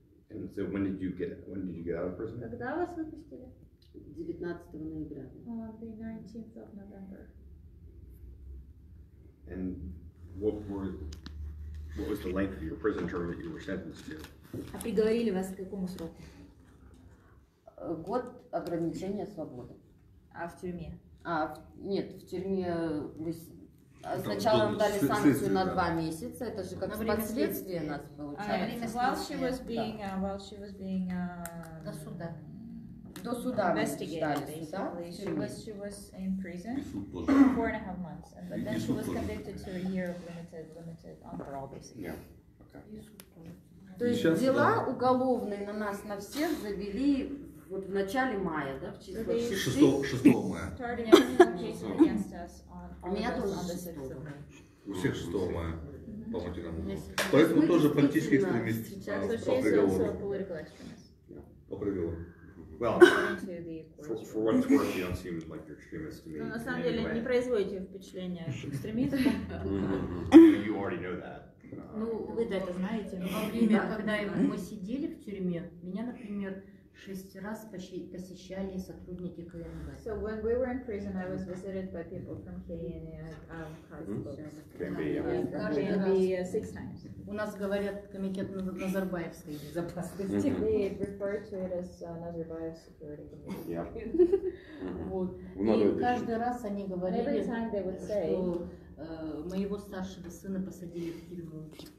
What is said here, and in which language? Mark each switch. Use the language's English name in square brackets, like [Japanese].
[English] And so when did you get out of prison? [Russian] Когда вас выпустили? 19 ноября. [English] On the 19th of November. And what was the length of your prison term that you were sentenced to? [Russian] А приговорили вас к какому сроку? Год ограничения свободы. А в тюрьме? А нет, в тюрьме вы сначала нам дали санкцию на 2 месяца, это же как последствия нас получается. [English] While she was being [Russian] до суда. До суда мы ждали суда. [English] She was in prison four and a half months, but then she was convicted to a year of limited on parole basically. Yeah. Okay. [Russian] То есть сейчас, дела уголовные на нас, на всех, завели вот в начале мая, да, в числе 6 мая. У меня тоже 6 мая. У всех 6 мая, по-моему, нам было. Поэтому тоже политический экстремист по приговору. По приговору. [English] Well, for what it's worth, you don't seem like you're extremist to me. [Russian] Но на самом деле не производите впечатления экстремизма. [English] You already know that. [Russian] Ну, вы это знаете. Во время, когда мы сидели в тюрьме, меня, например, 6 раз посещали сотрудники КНБ. [English] So when we were in prison, I was visited by people from KNA. [Russian] У нас говорят комитет Назарбаевской безопасности. [English] They refer to it as Nazarbayev Security Committee. Yeah. [Russian] Вот. И каждый раз они говорили, что моего старшего сына посадили в тюрьму.